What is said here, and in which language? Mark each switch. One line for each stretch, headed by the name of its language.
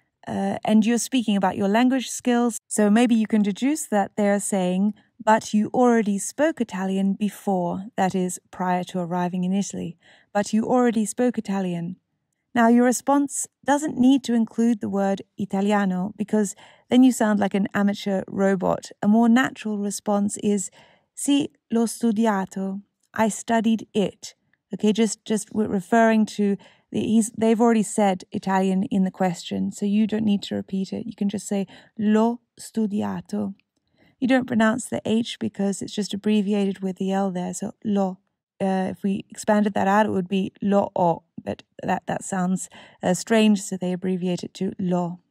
English: And you're speaking about your language skills, so maybe you can deduce that they're saying, but you already spoke Italian before, that is, prior to arriving in Italy. But you already spoke Italian. Now, your response doesn't need to include the word italiano, because then you sound like an amateur robot. A more natural response is,
Italian: sì, l'ho studiato.
English: I studied it. Okay, just referring to, they've already said Italian in the question, so you don't need to repeat it. You can just say,
Italian: l'ho studiato.
English: You don't pronounce the H because it's just abbreviated with the L there, so lo. If we expanded that out, it would be lo-o, but that sounds strange, so they abbreviate it to lo.